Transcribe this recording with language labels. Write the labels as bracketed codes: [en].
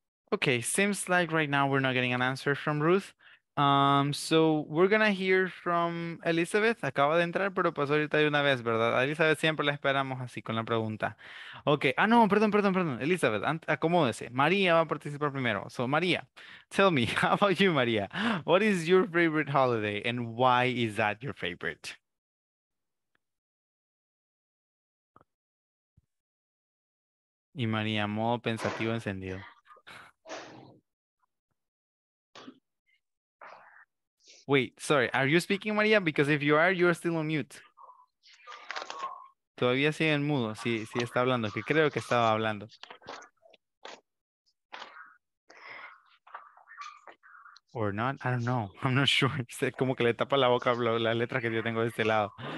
[en] Okay, seems like right now we're not getting an answer from Ruth. So we're gonna hear from Elizabeth. [es] Acaba de entrar, pero pasó ahorita de una vez, ¿verdad? Elizabeth siempre la esperamos así con la pregunta. Okay, perdón. Elizabeth, acomódese. María va a participar primero. [en] So María, tell me, how about you, María? What is your favorite holiday and why is that your favorite? [es] Y María, modo pensativo encendido. [en] Wait, sorry, are you speaking, Maria? Because if you are, you're still on mute. [es] Todavía sigue en mudo, sí está hablando, que creo que estaba hablando. [en] Or not, I don't know, I'm not sure. [es] Como que le tapa la boca la letra que yo tengo de este lado.